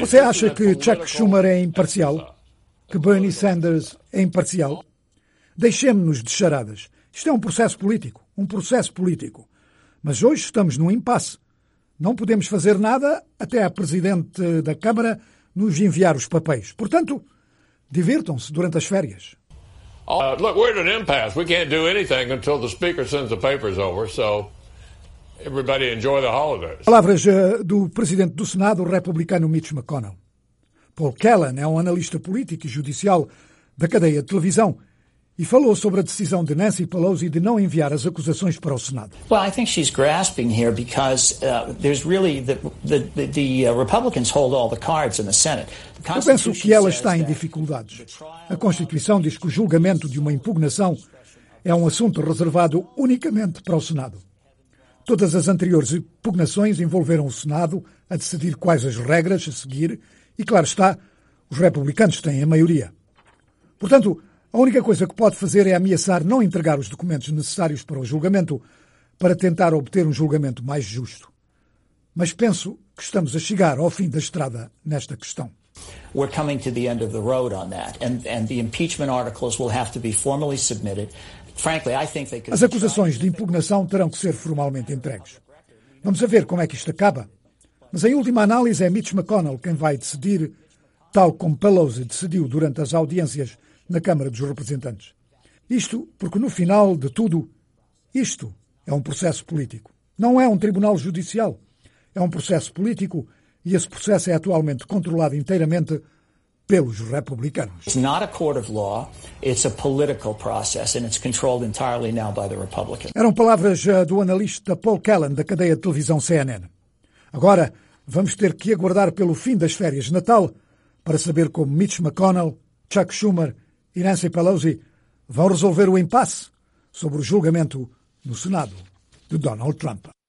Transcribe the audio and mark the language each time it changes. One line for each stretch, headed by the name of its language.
Portuguese: Você acha que Chuck Schumer é imparcial? Que Bernie Sanders é imparcial? Deixemos-nos de charadas. Isto é um processo político. Um processo político. Mas hoje estamos num impasse. Não podemos fazer nada até a Presidente da Câmara nos enviar os papéis. Portanto, divirtam-se durante as férias.
English: Look, we're at an impasse. We can't do anything until the Speaker sends the papers over. So everybody enjoy the holidays.
Portuguese: Palavras do Presidente do Senado, o republicano Mitch McConnell. Paul Kellen é um analista político e judicial da cadeia de televisão e falou sobre a decisão de Nancy Pelosi de não enviar as acusações para o Senado.
English: Well, I think she's grasping here because there's really the Republicans hold all the cards in the Senate.
Portuguese: Eu penso que ela está em dificuldades. A Constituição diz que o julgamento de uma impugnação é um assunto reservado unicamente para o Senado. Todas as anteriores impugnações envolveram o Senado a decidir quais as regras a seguir. E claro está, os republicanos têm a maioria. Portanto, a única coisa que pode fazer é ameaçar não entregar os documentos necessários para o julgamento, para tentar obter um julgamento mais justo. Mas penso que estamos a chegar ao fim da estrada nesta questão.
English: We're coming to the end of the road on that, and the impeachment articles will have to be formally submitted. Frankly, I think they could.
Portuguese: As acusações de impugnação terão que ser formalmente entregues. Vamos a ver como é que isto acaba. Mas em última análise é Mitch McConnell quem vai decidir, tal como Pelosi decidiu durante as audiências na Câmara dos Representantes. Isto porque, no final de tudo, isto é um processo político. Não é um tribunal judicial. É um processo político e esse processo é atualmente controlado inteiramente pelos republicanos.
English: It's not a court of law, it's a political process and it's controlled entirely now by the Republicans.
Portuguese: Eram palavras do analista Paul Kellen, da cadeia de televisão CNN. Agora, vamos ter que aguardar pelo fim das férias de Natal para saber como Mitch McConnell, Chuck Schumer e Nancy Pelosi vão resolver o impasse sobre o julgamento no Senado de Donald Trump.